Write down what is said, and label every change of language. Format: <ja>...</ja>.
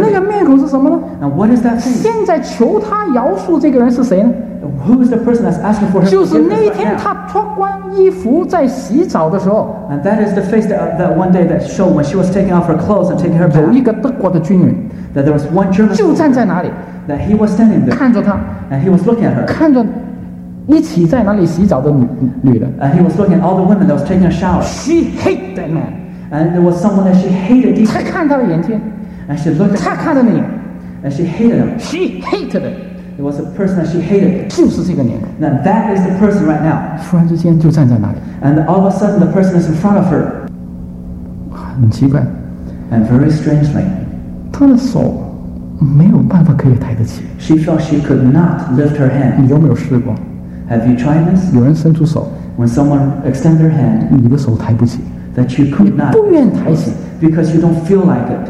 <zh>那个面孔是什么呢</zh> <en>and what is that face</en> <zh>现在求他饶恕这个人是谁呢</zh> <en>Who is the person that's asking for his forgiveness right now?</en> <zh>就是那一天她脱光衣服在洗澡的时候。</zh> <en>And that is the face that one day that showed when she was taking off her clothes and taking her bath.</en> <zh>有一个德国的军人。</zh> <en>That there was one German.</en> <zh>就站在哪里。</zh> <en>That he was standing there.</en> <zh>看着她。</zh> <en>And he was looking at her.</en> <zh>看着一起在哪里洗澡的女的。</zh> <en>And he was looking at all the women that was taking a shower. She hated that man. And there was someone that she hated.</en> <zh>她看她的眼睛。</zh> <en>And she looked at him.</en> <zh>她看着你。</zh> <en>And she hated him. She hated him. It was a person that she hated.</en> <zh>就是这个年龄。</zh> <en>Now that is the person right now.</en> <zh>突然之间就站在那里。</zh> <en>And all of a sudden, the person is in front of her.</en> <zh>很奇怪。</zh> <en>And very strangely,</en> <zh>她的手没有办法可以抬得起。</zh> <en>She felt she could not lift her hand.</en> <zh>你有没有试过？</zh> <en>Have you tried this?</en> <zh>有人伸出手。</zh> <en>When someone extends their hand,</en> <zh>你的手抬不起。</zh> <en>That you could not.</en> <zh>不愿抬起。</zh> <en>Because you don't feel like it.</en>